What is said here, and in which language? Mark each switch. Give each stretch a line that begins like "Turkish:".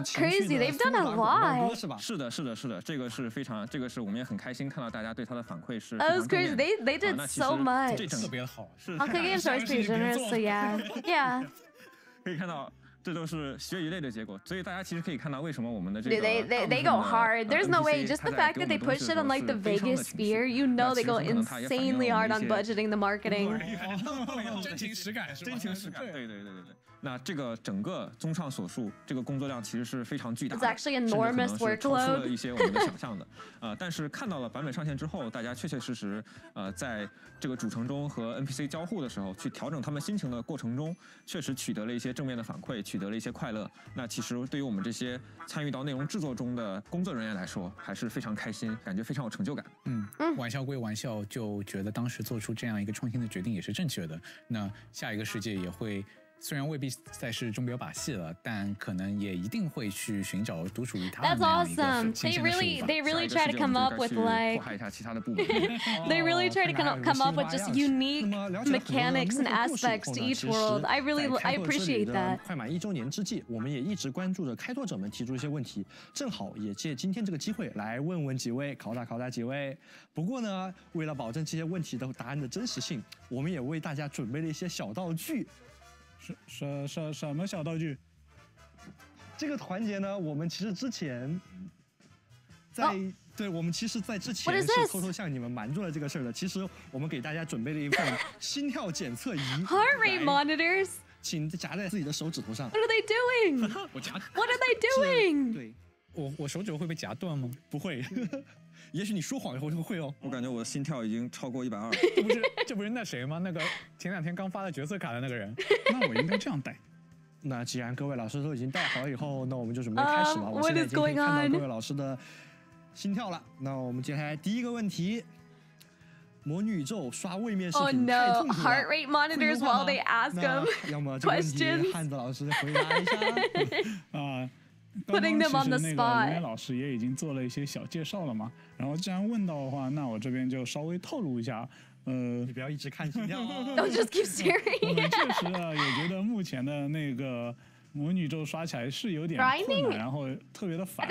Chinese: 情绪的
English: That's crazy, they've done a lot.
Chinese: 是吧是的是的是的这个是非常这个是我们也很开心看到大家对他的反馈是
English: That's crazy, they did so much.
Chinese: 特别好
English: Honkai Games are pretty generous, so yeah.
Chinese: 可以看到这都是血与泪的结果所以大家其实可以看到为什么我们的这个
English: they go hard there's no way just the fact that they push it on like the Vegas sphere you know they go insanely hard on budgeting the marketing
Chinese: 真情实感真情实感对对对对那这个整个综上所述这个工作量其实是非常巨大的
English: it's actually enormous workload
Chinese: 超出了一些我们的想象的但是看到了版本上线之后大家确确实实在这个主城中和 NPC 交互的时候去调整他们心情的过程中确实取得了一些正面的反馈取得了一些快乐那其实对于我们这些参与到内容制作中的工作人员来说还是非常开心感觉非常有成就感玩笑归玩笑就觉得当时做出这样一个创新的决定也是正确的那下一个世界也会虽然未必再是钟表把戏了，但可能也一定会去寻找独属于他的那样一个新鲜的事物吧。
English: That's awesome. They really try to come up with like. They really try to come up with just unique mechanics and aspects to each world. I appreciate that.
Chinese: 快满一周年之际，我们也一直关注着开拓者们提出一些问题，正好也借今天这个机会来问问几位，考察考察几位。不过呢，为了保证这些问题的答案的真实性，我们也为大家准备了一些小道具。什么小道具？这个环节呢，我们其实之前在、oh. 对，我们其实在之前是偷偷向你们瞒住了这个事的。其实我们给大家准备了一份心跳检测仪
English: ，Heart rate monitors，
Chinese: 请夹在自己的手指头上。
English: What are they doing？
Chinese: 我夹。
English: What are they doing？
Chinese: 对，我手指会被夹断吗？不会。也许你说谎以后就会哦。我感觉我的心跳已经超过120。这不是那谁吗？那个前两天刚发的角色卡的那个人。那我应该这样带。那既然各位老师都已经带好以后，那我们就准备开始吧。我现在已经看到各位老师的心跳了。那我们接下来第一个问题：魔女宇宙刷位面视频太痛苦了。
English: Oh no! Heart rate monitors while they ask them questions.
Chinese: 要么这个问题汉子老师回答一下。
English: Putting them on the spot.
Chinese: 刚刚其实那个老师也已经做了一些小介绍了嘛。然后既然问到的话，那我这边就稍微透露一下。你不要一直看心跳、哦。
English: Don't just keep staring.
Chinese: 确实啊，也觉得目前的那个魔女宙刷起来是有点困难，然后特别的繁琐。